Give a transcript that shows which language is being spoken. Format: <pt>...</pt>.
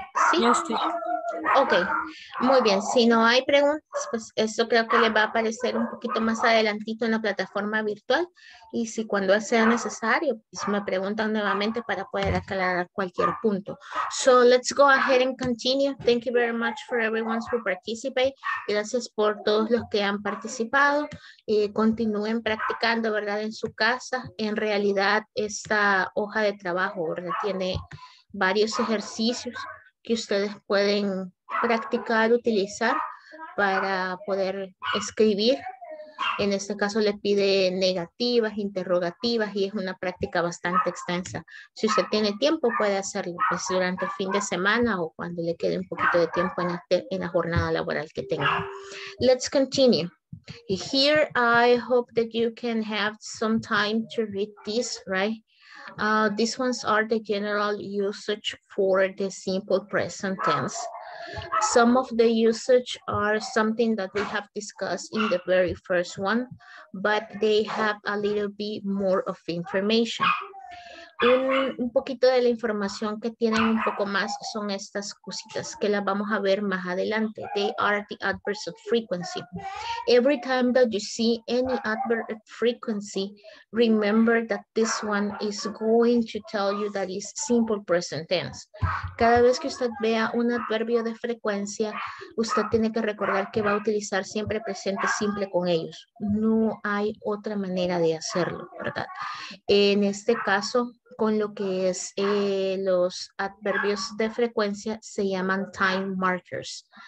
<es>Sí.</es> <en>Yes, sir.</en> <es>Okay. Muy bien. Si no hay preguntas, pues eso creo que le va a aparecer un poquito más adelantito en la plataforma virtual. Y si cuando sea necesario, pues me preguntan nuevamente para poder aclarar cualquier punto.</es> <en>So let's go ahead and continue. Thank you very much for everyone who participate.</en> <es>Gracias por todos los que han participado. Continúen practicando, ¿verdad? En su casa. En realidad, esta hoja de trabajo, ¿verdad? Tiene varios ejercicios que ustedes pueden practicar, utilizar para poder escribir. En este caso le pide negativas, interrogativas y es una práctica bastante extensa. Si usted tiene tiempo puede hacerlo pues, durante el fin de semana o cuando le quede un poquito de tiempo en la jornada laboral que tenga.</es> <en>Let's continue. Here I hope that you can have some time to read this, right? These ones are the general usage for the simple present tense. Some of the usage are something that we have discussed in the very first one, but they have a little bit more of information.</en> <es>Un poquito de la información que tienen un poco más son estas cositas que las vamos a ver más adelante.</es> <en>They are the adverbs of frequency. Every time that you see any adverb of frequency, remember that this one is going to tell you that it's simple present tense.</en> <es>Cada vez que usted vea un adverbio de frecuencia, usted tiene que recordar que va a utilizar siempre presente simple con ellos. No hay otra manera de hacerlo, ¿verdad? En este caso, con lo que es los adverbios de frecuencia se llaman time markers.</es>